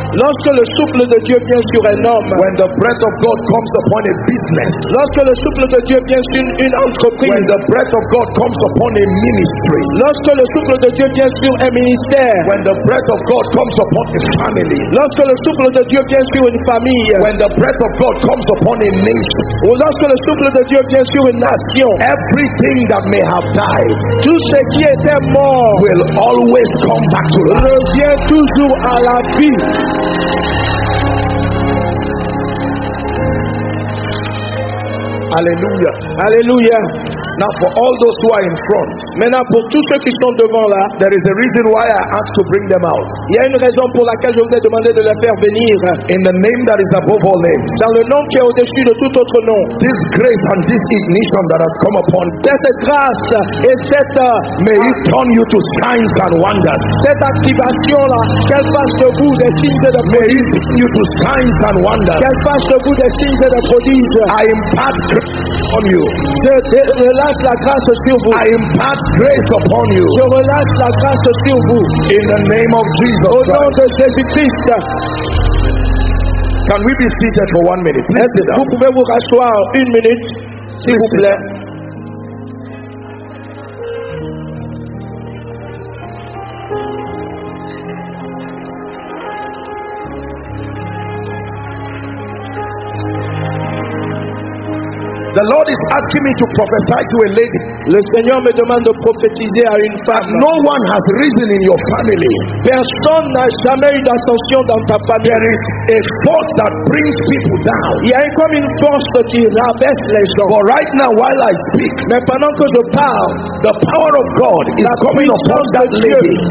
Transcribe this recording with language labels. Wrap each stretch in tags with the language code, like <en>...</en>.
<fr>lorsque le souffle de Dieu vient sur un homme,</fr> <en>when the breath of God comes upon a business,</en> <fr>lorsque le souffle de Dieu vient sur une entreprise,</fr> <en>when the breath of God comes upon a ministry,</en> <fr>lorsque le souffle de Dieu vient sur un ministère,</fr> <en>when the breath of God comes upon a family,</en> <fr>lorsque le souffle de Dieu vient sur une famille,</fr> <en>when the breath of God comes upon a nation,</en> <fr>lorsque le souffle de Dieu vient sur une nation,</fr> <en>everything that may have died,</en> <fr>tout ce qui était mort,</fr> <en>will always come back.</en> <fr>Reviens toujours à la vie. Alléluia. Alléluia.</fr> <en>Now for all those who are in front.</en> <fr>Maintenant pour tous ceux qui sont devant là,</fr> <en>there is a reason why I asked to bring them out.</en> <fr>Il y a une raison pour laquelle je vous ai demandé de les faire venir.</fr> <en>In the name that is above all names.</en> <fr>Dans le nom qui est au-dessus de tout autre nom.</fr> <en>This grace and this ignition that has come upon.</en> <fr>Cette grâce et cette</fr> <en>may it turn you to signs and wonders.</en> <fr>Cette activation là, qu'elle fasse de vous des signes et des prodiges.</fr> <en>May it turn you to signs and wonders.</en> <fr>Qu'elle fasse de vous des signes et des prodiges.</fr> <en>I impart grace on you.</en> <fr>La grâce sur vous.</fr> <en>I impart grace upon you.</en> <fr>Je relâche la grâce sur vous.</fr> <en>In the name of Jesus.</en> <fr>Au nom de Jésus Christ.</fr> <en>Can we be seated for 1 minute? Please sit down.</en> <fr>Vous pouvez vous rasseoir une minute, s'il vous plaît.</fr> <en>The Lord is asking me to prophesy to a lady.</en> <fr>Le Seigneur me demande de prophétiser à une femme.</fr> <en>No one has risen in your family.</en> <fr>Personne n'a jamais eu d'ascension dans ta famille.</fr> <en>There is a force that brings people down.</en> <fr>Il y a comme une force qui rabaisse les gens.</fr> <en>But right now, while I speak,</en> <fr>mais pendant que je parle,</fr> <en>the power of God is coming upon that lady.</en>